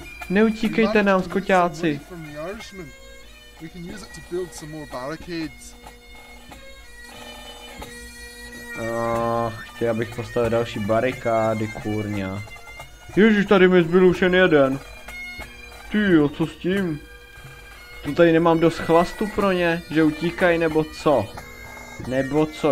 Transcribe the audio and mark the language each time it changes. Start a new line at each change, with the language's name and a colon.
Czech: Neutíkejte nám, skoťáci.
English: We can use it to build some more barricades.
Czech: Chtěl bych postavit další barikády, kurňa. Ježiš, tady mi zbyl už jen jeden. Tyjo, co s tím? To tady nemám dost chlastu pro ně, že utíkají nebo co? Nebo co?